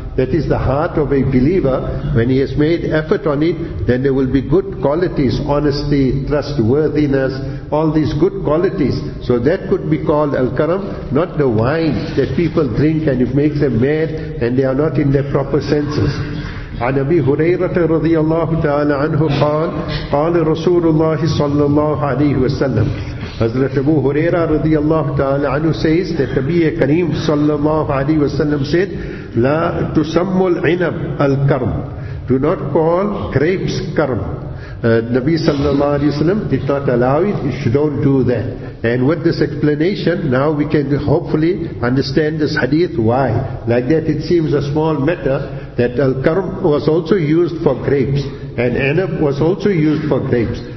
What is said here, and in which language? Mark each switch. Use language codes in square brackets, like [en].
[en] That is the heart of a believer. When he has made effort on it, then there will be good qualities, honesty, trustworthiness, all these good qualities. So that could be called al-karam, not the wine that people drink and it makes them mad and they are not in their proper senses. [ar] عن أبي هريرة رضي الله تعالى عنه قال قال رسول الله صلى الله عليه وسلم. [en] Hazrat Abu Huraira رضي الله تعالى عنه says that Nabi Kareem صلى الله عليه وسلم said [ar] لا تسمو العنب الكرم. [en] Do not call grapes كرم. Nabi صلى الله عليه وسلم did not allow it. You should don't do that. And with this explanation, now we can hopefully understand this hadith why. Like that it seems a small matter that al-karm was also used for grapes, and anab was also used for grapes.